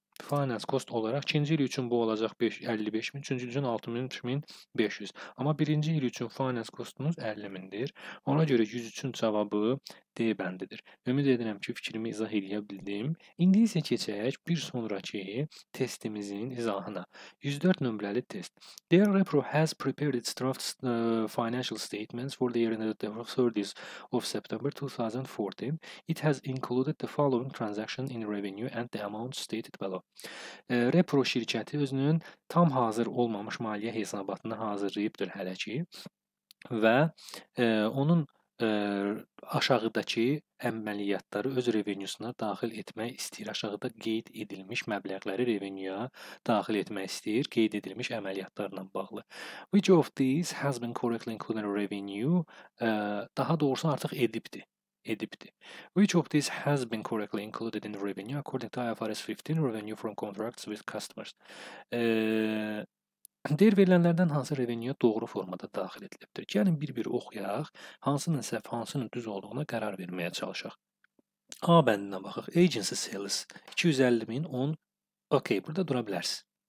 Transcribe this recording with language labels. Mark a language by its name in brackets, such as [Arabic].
[Azerbaijani] Finance cost olaraq 2-ci il üçün bu olacaq 55 min, 3-cü il üçün 63.500. Amma 1-ci il üçün finance costunuz 50 mindir. Ona görə 103-ün cavabı D bəndidir. Ümid edirəm ki, fikrimi izah edə bildim. İndi isə keçək bir sonrakı testimizin izahına. 104 nömrəli test. [English] Their repro has prepared its draft financial statements for the year ended the 30th of September 2014. It has included the following transaction in revenue and the amount stated below. [Azerbaijani] Repro şirkəti özünün tam hazır olmamış maliyyə hesabatını hazırlayıbdır hələ ki. Və onun aşağıdakı əməliyyatları öz revenyusuna daxil etmək istəyir. Aşağıda qeyd edilmiş məbləğləri revenyuya daxil etmək istəyir. Qeyd edilmiş əməliyyatlarla bağlı. [English] Which of these has been correctly included in revenue? [Azerbaijani] Daha doğrusu artıq edibdir. Edibdir. [English] Which of these has been correctly included in revenue according to IFRS 15 revenue from contracts with customers? [Azerbaijani] Dəyər verilənlərdən hansı revenue doğru formada daxil edilibdir? Gəlin bir-bir oxuyaq, hansının səhv, hansının düz olduğuna qərar verməyə çalışaq. A bəndinə baxıq. Agency sales 250 min 10. Okey, burada dura bilərsiz.